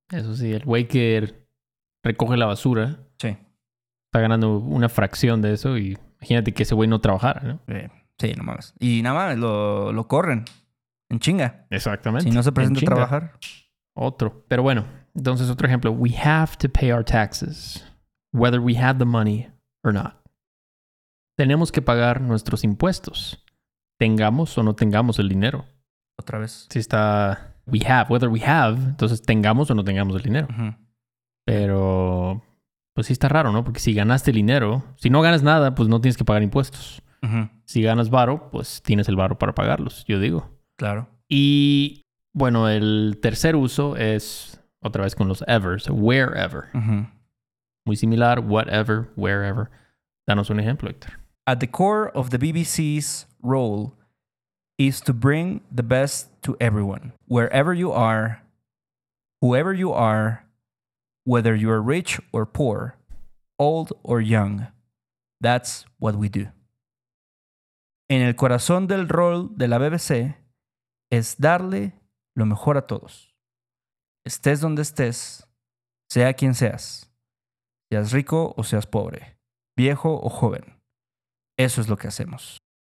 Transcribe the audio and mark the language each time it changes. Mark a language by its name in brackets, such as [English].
[Spanish] Eso sí, el güey que recoge la basura. Sí. Está ganando una fracción de eso y imagínate que ese güey no trabajara, ¿no? Sí, no mames. Y nada más, lo corren. En chinga. Exactamente. Si no se presenta a trabajar. Otro. Pero bueno, entonces otro ejemplo. [English] We have to pay our taxes, whether we have the money or not. [Spanish] Tenemos que pagar nuestros impuestos. Tengamos o no tengamos el dinero. Otra vez. Si está... [English] We have, whether we have. [Spanish] Entonces, tengamos o no tengamos el dinero. Uh-huh. Pero... Pues sí está raro, ¿no? Porque si ganaste el dinero, si no ganas nada, pues no tienes que pagar impuestos. Uh-huh. Si ganas varo, pues tienes el varo para pagarlos, yo digo. Claro. Y bueno, el tercer uso es otra vez con los ever, [English] so wherever. [Spanish] Uh-huh. Muy similar, whatever, wherever. Danos un ejemplo, Héctor. [English] At the core of the BBC's role is to bring the best to everyone. Wherever you are, whoever you are, whether you are rich or poor, old or young, that's what we do. [Spanish] En el corazón del rol de la BBC es darle lo mejor a todos. Estés donde estés, sea quien seas, seas rico o seas pobre, viejo o joven. Eso es lo que hacemos.